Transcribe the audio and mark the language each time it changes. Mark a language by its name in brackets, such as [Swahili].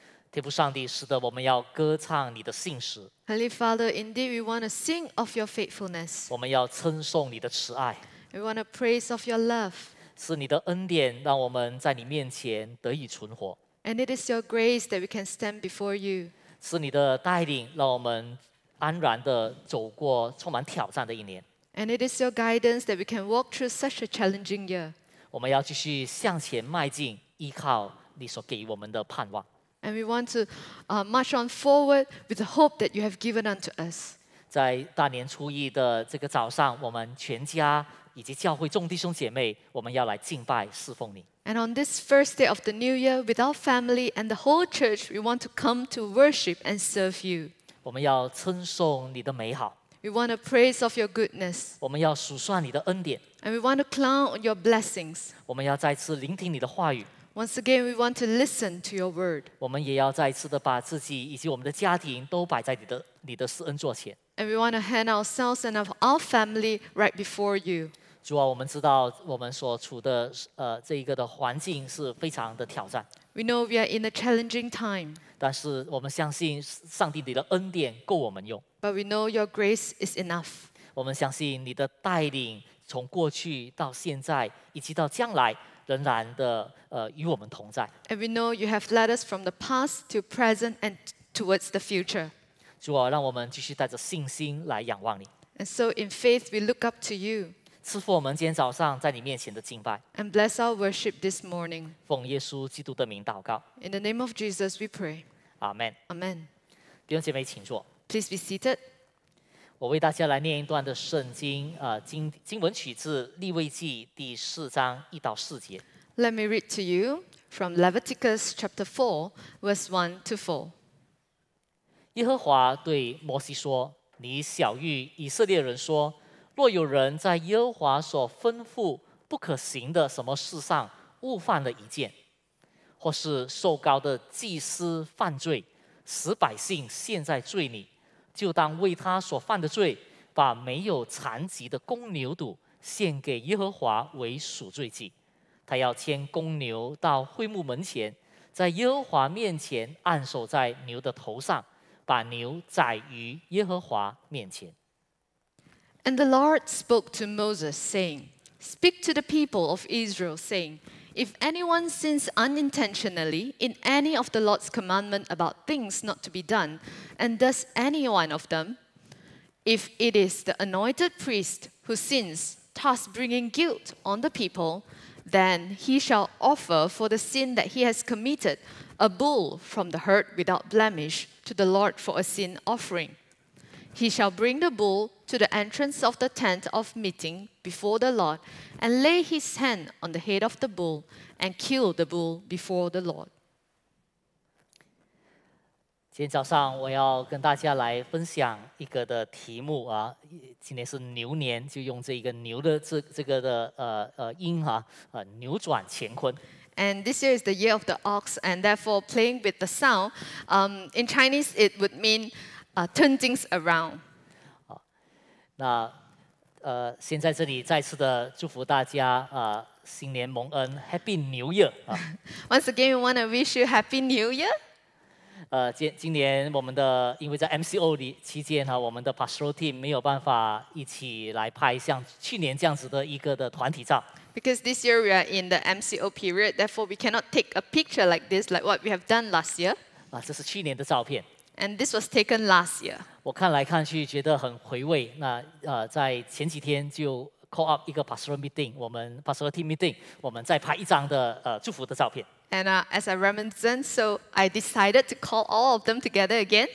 [Chinese] 天父上帝，是的，我们要歌唱你的信实。 [English] Holy Father, indeed we want to sing of your faithfulness. [Chinese] 我们要称颂你的慈爱。 [English] We want to praise of your love. [Chinese] 是你的恩典，让我们在你面前得以存活。 [English] And it is your grace that we can stand before you. [Chinese] 是你的带领，让我们安然地走过充满挑战的一年。 [English] And it is your guidance that we can walk through such a challenging year. [Chinese] 我们要继续向前迈进，依靠你所给我们的盼望。 [English] And we want to march on forward with the hope that you have given unto us. [Chinese] 在大年初一的这个早上，我们全家以及教会众弟兄姐妹，我们要来敬拜侍奉你。 [English] And on this first day of the new year, with our family and the whole church, we want to come to worship and serve you. [Chinese] 我们要称颂你的美好。 [English] We want to praise of your goodness. [Chinese] 我们要数算你的恩典。 [English] And we want to count on your blessings. [Chinese] 我们要再次聆听你的话语。 [English] Once again, we want to listen to your word. [Chinese] 我们也要再次的把自己以及我们的家庭都摆在你的施恩座前。 [English] And we want to hand ourselves and of our family right before you. [Chinese] 主啊，我们知道我们所处的这一个的环境是非常的挑战。 [English] We know we are in a challenging time. [Chinese] 但是我们相信上帝你的恩典够我们用。 [English] But we know your grace is enough. [Chinese] 我们相信你的带领从过去到现在以及到将来仍然的与我们同在。 [English] And we know you have led us from the past to present and towards the future. [Chinese] 主啊，让我们继续带着信心来仰望你。 [English] And so in faith we look up to you. [Chinese] 赐福我们今天早上在你面前的敬拜。 [English] And bless our worship this morning. [Chinese] 奉耶稣基督的名祷告。 [English] In the name of Jesus we pray. Amen. Amen. [Chinese] 弟兄姐妹请坐。 [English] Please be seated. [Chinese] 我为大家来念一段的圣经，经文取自利未记第四章一到四节。 [English] Let me read to you from Leviticus chapter 4, verse 1 to 4. [Chinese] 耶和华对摩西说，你晓谕以色列人说，若有人在耶和华所吩咐不可行的什么事上误犯了一件，或是受膏的祭司犯罪，使百姓陷在罪里，就当为他所犯的罪，把没有残疾的公牛犊献给耶和华为赎罪祭。他要牵公牛到会幕门前，在耶和华面前按手在牛的头上，把牛宰于耶和华面前。 [English] And the Lord spoke to Moses, saying, Speak to the people of Israel, saying, If anyone sins unintentionally in any of the Lord's commandment about things not to be done, and does any one of them, if it is the anointed priest who sins, thus bringing guilt on the people, then he shall offer for the sin that he has committed a bull from the herd without blemish to the Lord for a sin offering. He shall bring the bull to the entrance of the tent of meeting before the Lord and lay his hand on the head of the bull and kill the bull before the Lord. [Chinese] 今天早上我要跟大家来分享一个的题目啊，今天是牛年，就用这一个牛的这个的音啊，扭转乾坤。 [English] And this year is the year of the ox, and therefore playing with the sound, in Chinese it would mean turn things around. [Chinese] 那先在这里再次的祝福大家新年蒙恩 ， [English] Happy New Year！ Once again, we want to wish you Happy New Year. [Chinese] 今年我们的因为在 MCO 期间我们的 Pastoral Team 没有办法一起来拍像去年这样子的一个的团体照。 [English] Because this year we are in the MCO period, therefore we cannot take a picture like this, like what we have done last year. [Chinese] 这是去年的照片。 [English] And this was taken last year. [Chinese] 我看来看去觉得很回味。那在前几天就 call up 一个 pastoral meeting， 我们 pastoral team meeting， 我们再拍一张的祝福的照片。 [English] And as I reminisce, so I decided to call all of them together again.